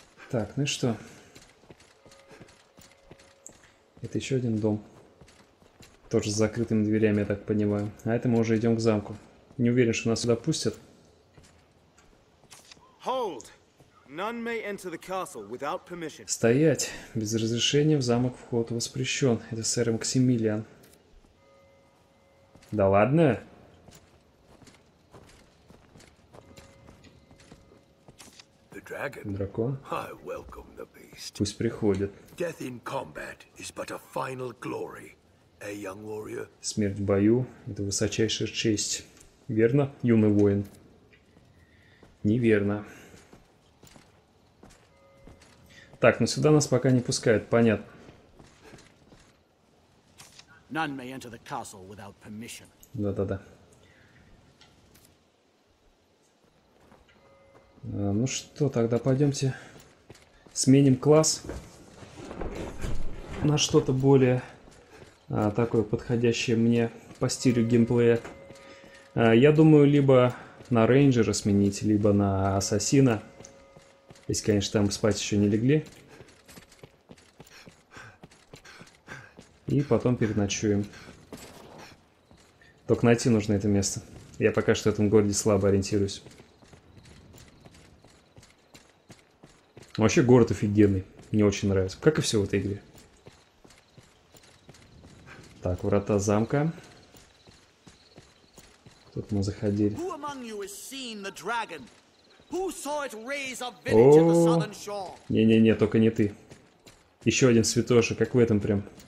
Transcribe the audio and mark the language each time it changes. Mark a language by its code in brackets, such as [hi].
[ru] Так, ну и что? Это еще один дом. Тоже с закрытыми дверями, я так понимаю. А это мы уже идем к замку. Не уверен, что нас сюда пустят. [en] Hold. None may enter the castle without permission. [ru] Стоять! Без разрешения в замок вход воспрещен. Это сэр Максимилиан. Да ладно? Дракон. [en] I welcome the beast. [ru] Пусть приходит. [en] Death in combat is but a final glory, a young warrior. [ru] Смерть в бою — это высочайшая честь. Верно, юный воин? Неверно. Так, но сюда нас пока не пускают, понятно. [en] None may enter the castle without permission. [ru] Да-да-да. Ну что, тогда пойдемте сменим класс на что-то более такое подходящее мне по стилю геймплея. Я думаю, либо на рейнджера сменить, либо на ассасина. Если, конечно, там спать еще не легли. И потом переночуем. Только найти нужно это место. Я пока что в этом городе слабо ориентируюсь. Вообще город офигенный. Мне очень нравится. Как и все в этой игре. Так, врата замка. Тут мы заходили. Кто [en] among you has seen the dragon? Who saw it raise a village on the southern shore? [ru] Не-не-не, только не ты. Еще один святоша, как в этом прям.